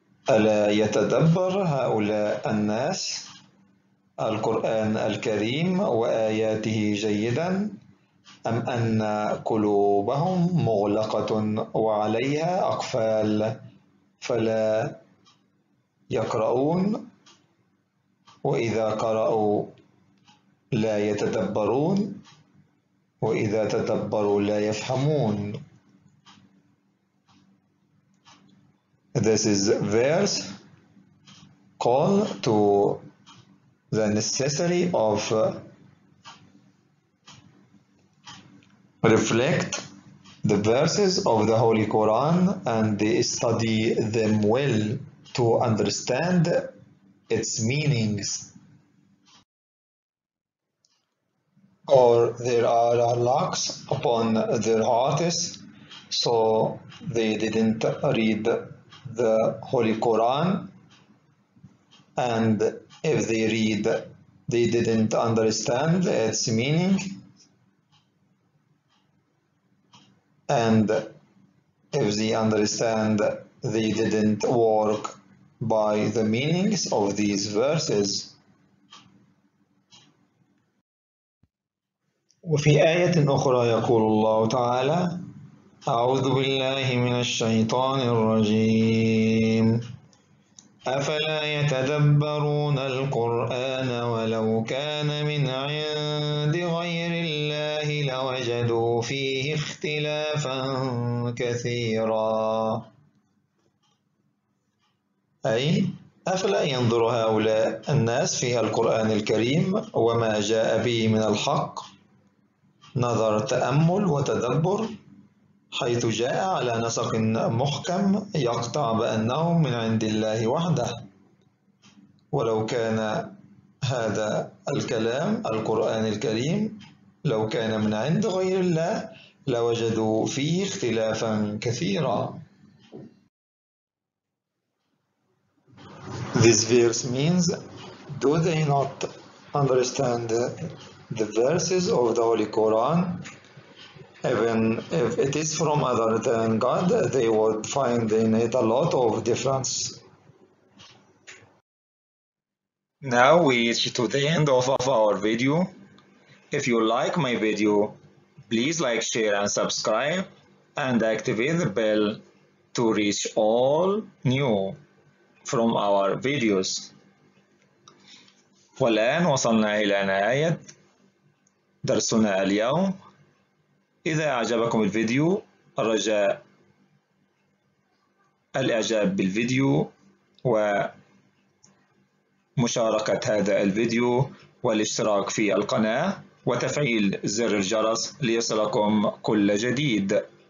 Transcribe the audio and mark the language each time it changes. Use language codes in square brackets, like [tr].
[ar] ألا يتدبر هؤلاء الناس القرآن الكريم وآياته جيداً؟ أم أن قلوبهم مغلقة وعليها أقفال فلا يقرؤون، وإذا قرأوا لا يتدبرون، وإذا تدبروا لا يفهمون. [en] This is verse call to the necessity of reflect the verses of the Holy Quran and study them well to understand its meanings. Or there are locks upon their hearts, so they didn't read the Holy Quran, and if they read, they didn't understand its meaning. and if they understand they didn't work by the meanings of these verses. [ar] وفي آية أخرى يقول الله تعالى أعوذ بالله من الشيطان الرجيم أفلا يتدبرون القرآن ولو كان من عند غير الله لوجدوا فيه اختلافا كثيرا أي أفلا ينظر هؤلاء الناس في القرآن الكريم وما جاء به من الحق نظر تأمل وتدبر حيث جاء على نسق محكم يقطع بأنه من عند الله وحده ولو كان هذا الكلام القرآن الكريم لو كان من عند غير الله لوجدوا فيه اختلافا كثيرا. [en] This verse means, do they not understand the verses of the Holy Quran? Even if it is from other than God, they would find in it a lot of difference. Now we reach to the end of our video. If you like my video, please like, share and subscribe and activate the bell to reach all new from our videos. [ar] والآن وصلنا إلى نهاية درسنا اليوم. إذا أعجبكم الفيديو رجاء الإعجاب بالفيديو ومشاركة هذا الفيديو والاشتراك في القناة وتفعيل زر الجرس ليصلكم كل جديد.